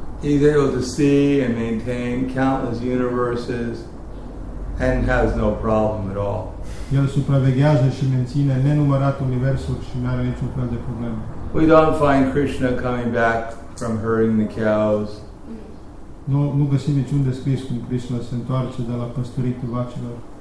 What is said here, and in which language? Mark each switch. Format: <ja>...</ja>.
<en>He is able to see and maintain countless universes and has no problem at all.</en> <ro>El supraveghează și menține nenumărate universuri și nu are niciun fel de problemă.</ro> <en>We don't find Krishna coming back from herding the cows.</en> <ro>Nu găsim niciun descris cum Krishna se întoarce de la păstoritul vacilor.</ro>